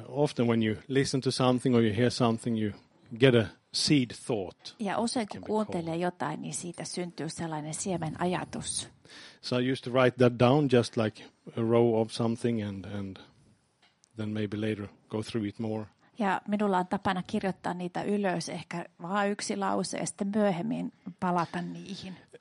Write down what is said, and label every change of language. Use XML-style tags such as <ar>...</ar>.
<en>often when you listen to something or you hear something, you get a seed thought.</en> <fi>Ja usein kun kuuntelee jotain, niin siitä syntyy sellainen siemen ajatus.</fi> <en>So I used to write that down just like a row of something and then maybe later go through it more.</en> <fi>Ja minulla on tapana kirjoittaa niitä ylös, ehkä vaan yksi lause ja sitten myöhemmin palata niihin.</fi>